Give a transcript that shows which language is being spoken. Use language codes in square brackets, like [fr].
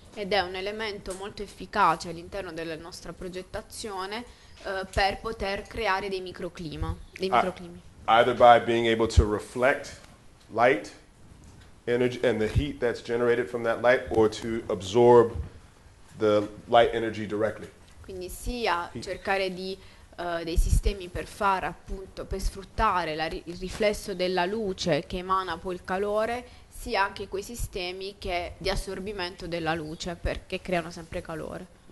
[it] Ed è un elemento molto efficace all'interno della nostra progettazione per poter creare dei microclima, dei microclimi. [en] Either by being able to reflect light energy and the heat that's generated from that light or to absorb the light energy directly. [it] Quindi sia cercare di dei sistemi per far appunto per sfruttare il riflesso della luce che emana poi il calore, sia anche quei sistemi che di assorbimento della luce perché creano sempre calore.